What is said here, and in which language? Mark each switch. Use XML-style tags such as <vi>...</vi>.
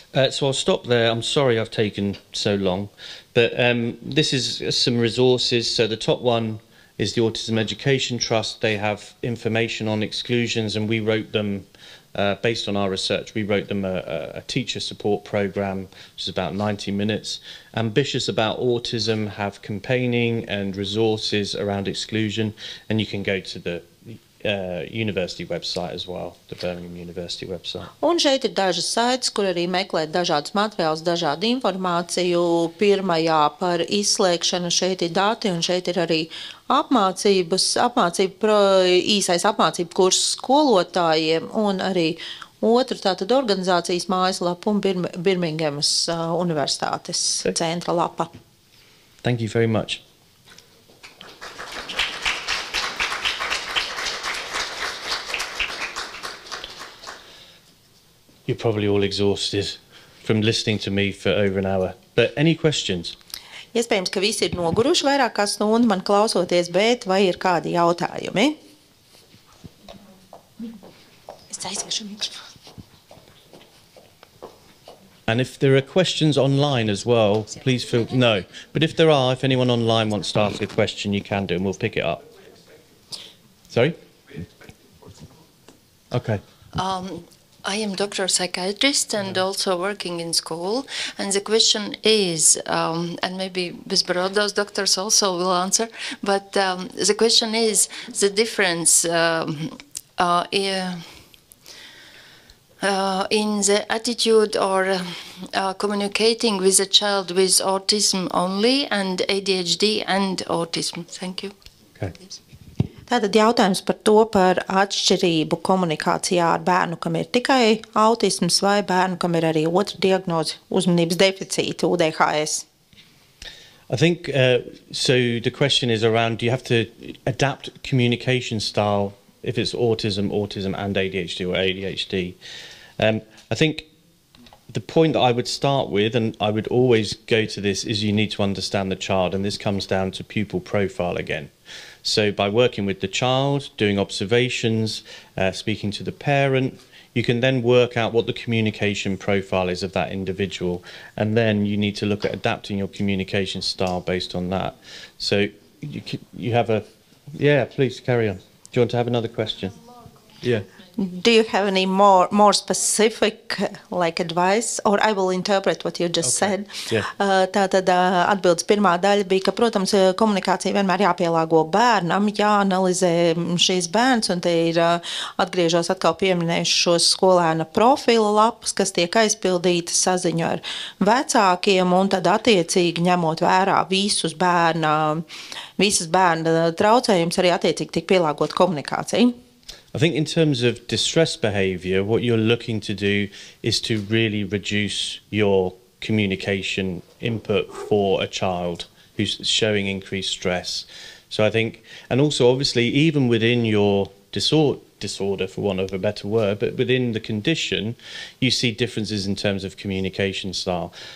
<en>So I'll stop there. I'm sorry I've taken so long, but this is some resources. So the top one is the Autism Education Trust. They have information on exclusions, and we wrote them, based on our research, we wrote them a teacher support program, which is about 90 minutes. Ambitious About Autism have campaigning and resources around exclusion, and you can go to the university website as well, the Birmingham University website.</en> <lv>Un šeit ir dažas saites, kur arī meklēt dažādas materiālus, dažādu informāciju. Pirmajā par izslēgšanu šeit ir dati, un šeit ir arī īsais apmācību kurs skolotājiem, un arī otru tātad organizācijas mājaslapu un Birminghamas universitātes centra lapa.</lv> <en>Thank you very much. You're probably all exhausted from listening to me for over an hour. But any questions?</en> <lv>Iespējams, ka visi ir noguruši vairāk kā stundu man klausoties, bet vai ir kādi jautājumi? Es aizvešu mikrofonu.</lv> <en>And if there are questions online as well, please feel... No. But if there are, if anyone online wants to ask a question, you can do and we'll pick it up. Sorry? Okay. I am doctor psychiatrist and also working in school, and the question is, and maybe Ms. Barodos doctors also will answer, but the question is the difference in the attitude or communicating with a child with autism only and ADHD and autism. Thank you. Okay.</en> <lv>Tātad jautājums par to, par atšķirību komunikācijā ar bērnu, kam ir tikai autisms, vai bērnu, kam ir arī otra diagnoze uzmanības deficīta, UDHS?</lv> <en>I think, so the question is around, do you have to adapt communication style if it's autism and ADHD or ADHD? I think the point that I would start with, and I would always go to this, is you need to understand the child, and this comes down to pupil profile again. So by working with the child, doing observations, speaking to the parent, you can then work out what the communication profile is of that individual. And then you need to look at adapting your communication style based on that. So you have a... Yeah, please carry on. Do you want to have another question? Yeah. Do you have any more specific like advice, or I will interpret what you just said?</en> <lv>Tātad atbildes pirmā daļa bija, ka, protams, komunikācija vienmēr jāpielāgo bērnam, jāanalizē šīs bērns, un te ir atgriežos atkal pieminējuši šo skolēna profila lapas, kas tiek aizpildītas saziņu ar vecākiem, un tad attiecīgi ņemot vērā visas bērna traucējumus, arī attiecīgi tik pielāgot komunikāciju.</lv> <en>I think in terms of distress behavior, what you're looking to do is to really reduce your communication input for a child who's showing increased stress. So I think, and also obviously even within your disorder, for want of a better word, but within the condition, you see differences in terms of communication style.</en>